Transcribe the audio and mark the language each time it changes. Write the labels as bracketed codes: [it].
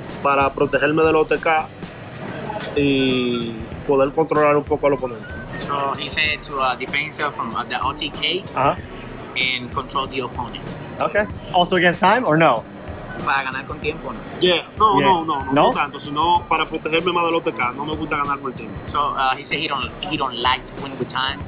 [es] Para protegerme del OTK y poder controlar un poco al oponente. [en] So he said to defend himself from the OTK and control the opponent. Okay. Also against time or no? [es] Para ganar con tiempo, no. [en] Yeah. No, yeah. No. [es] No tanto, sino para protegerme más del OTK. No me gusta ganar con el tiempo. [en] So he said he don't like to win with time.